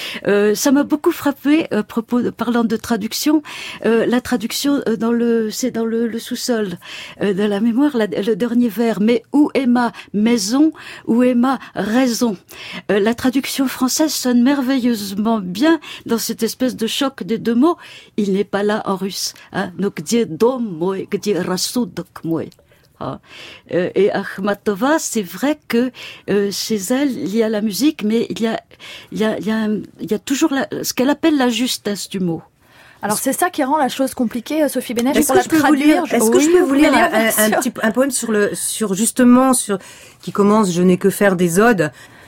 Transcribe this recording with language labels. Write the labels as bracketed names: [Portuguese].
[French] Ça m'a beaucoup frappé à propos de, parlant de traduction, la traduction dans le sous-sol de la mémoire, le dernier vers, mais où est ma maison, où est ma raison. La traduction française sonne merveilleusement bien dans cette espèce de choc des deux mots. Il n'est pas là en russe. [Russian] Donc где дом мой, где рассудок мой. [French] Et Akhmatova, c'est vrai que chez elle, il y a la musique, mais il y a toujours ce qu'elle appelle la justesse du mot. Alors c'est ça qui rend la chose compliquée, Sophie Benesch. Est-ce que je peux vous lire un poème sur qui commence « Je n'ai que faire des odes »